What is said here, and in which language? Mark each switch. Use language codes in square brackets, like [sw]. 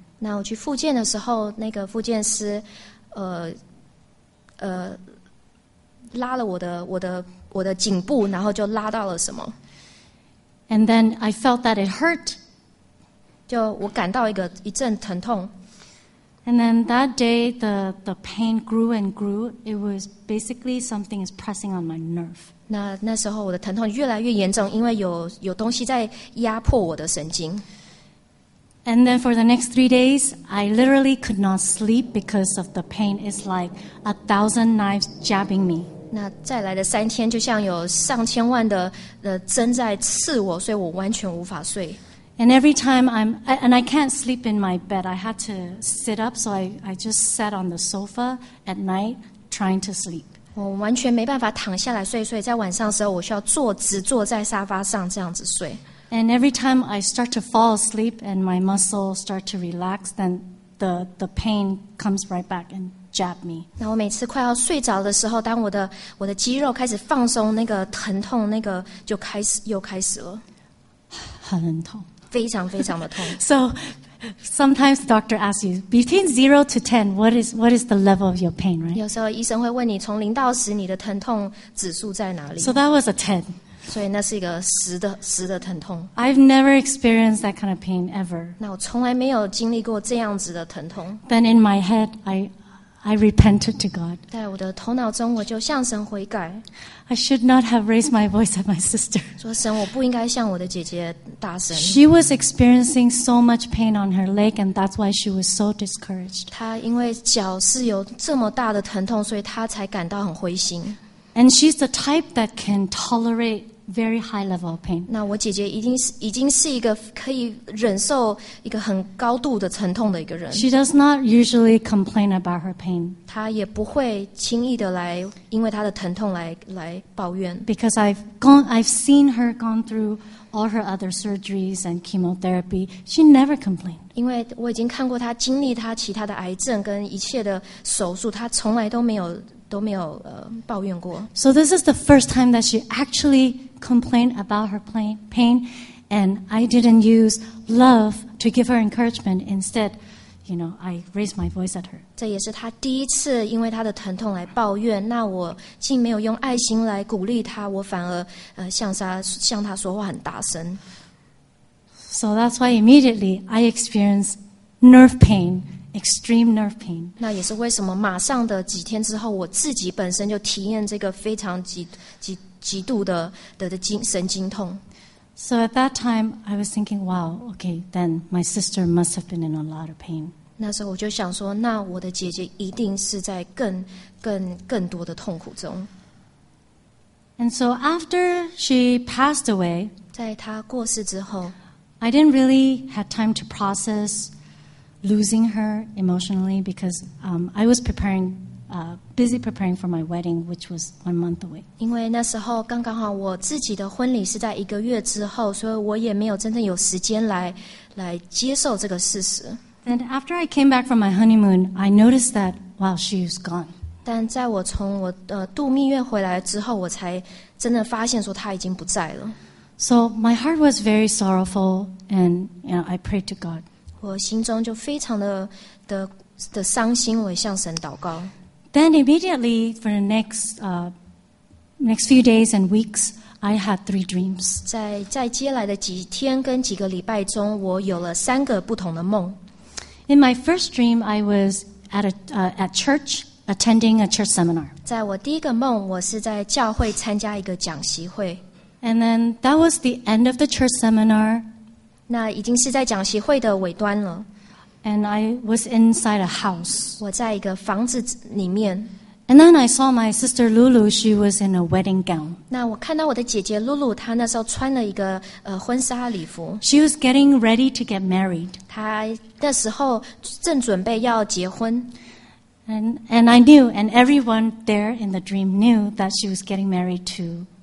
[zh] 那我去复健的时候，那个复健师，拉了我的颈部，然后就拉到了什么。 [en] And then I felt that it hurt. [zh] 就我感到一个一阵疼痛。 [en] And then that day, the pain grew and grew. It was basically something is pressing on my nerve. [zh] 那时候我的疼痛越来越严重，因为有东西在压迫我的神经。 [en] And then for the next 3 days, I literally could not sleep because of the pain. It's like 1,000 knives jabbing me. [zh] 那再来的三天，就像有上千万的针在刺我，所以我完全无法睡。 [en] And every time I can't sleep in my bed. I had to sit up, so I just sat on the sofa at night trying to sleep. [zh] 我完全没办法躺下来睡，所以在晚上的时候，我需要直坐在沙发上这样子睡。 [en] And every time I start to fall asleep and my muscles start to relax, then the pain comes right back and jab me. [zh] 那我每次快要睡着的时候，当我的肌肉开始放松，那个疼痛那个就开始又开始了。很痛。非常非常的痛。 [en] So sometimes the doctor asks you between 0 to 10, what is the level of your pain, right? [zh] 有时候医生会问你从零到十你的疼痛指数在哪里。 [en] So that was a 10. [zh] 所以那是一个十的疼痛。 [en] I've never experienced that kind of pain ever. [zh] 那我从来没有经历过这样子的疼痛。 [en] Then in my head, I repented to God. [zh] 在我的头脑中，我就向神悔改。 [en] I should not have raised my voice at my sister. [zh] 说神，我不应该向我的姐姐大声。 [en] She was experiencing so much pain on her leg, and that's why she was so discouraged. [zh] 她因为脚是有这么大的疼痛，所以她才感到很灰心。 [en] And she's the type that can tolerate very high level of pain. [zh] 那我姐姐已经是一个可以忍受一个很高度的疼痛的一个人。 [en] She does not usually complain about her pain. [zh] 她也不会轻易的来因为她的疼痛来抱怨。 [en] Because I've seen her gone through all her other surgeries and chemotherapy, she never complained. [zh] 因为我已经看过她经历她其他的癌症跟一切的手术，她从来都没有抱怨过。 [en] So this is the first time that she actually complained about her pain, and I didn't use love to give her encouragement. Instead, you know, I raised my voice at her. [zh] 这也是她第一次因为她的疼痛来抱怨。那我竟没有用爱心来鼓励她，我反而向她说话很大声。 [en] So that's why immediately I experienced nerve pain. Extreme nerve pain. [zh] 那也是为什么马上的几天之后，我自己本身就体验这个非常极度的神经痛。 [en] So at that time, I was thinking, "Wow, okay, then my sister must have been in a lot of pain." [zh] 那时候我就想说，那我的姐姐一定是在更多的痛苦中。 [en] And so after she passed away, [zh] 在她过世之后 [en] ，I didn't really have time to process. Losing her emotionally because I was busy preparing for my wedding, which was 1 month away. [zh] 因为那时候刚刚好我自己的婚礼是在一个月之后，所以我也没有真正有时间来接受这个事实。 [en] And after I came back from my honeymoon, I noticed that while she was gone. [zh] 但在我从我度蜜月回来之后，我才真的发现说她已经不在了。 [en] So my heart was very sorrowful, and you know, I prayed to God. [zh] 我心中就非常的伤心，我向神祷告。 [en] Then immediately for the next few days and weeks, I had 3 dreams. [zh] 在接来的几天跟几个礼拜中，我有了三个不同的梦。 [en] In my first dream, I was at church attending a church seminar. [zh] 在我第一个梦，我是在教会参加一个讲习会。 [en] And then that was the end of the church seminar. [zh] 那已经是在讲习会的尾端了。 [en] And I was inside a house. [zh] 我在一个房子里面。 [en] And then I saw my sister Lulu. She was in a wedding gown. [zh] 那我看到我的姐姐 Lulu, 她那时候穿了一个婚纱礼服。 [en] She was getting ready to get married. [zh] 她那时候正准备要结婚。 [en] And I knew, and everyone there in the dream knew that she was getting married to.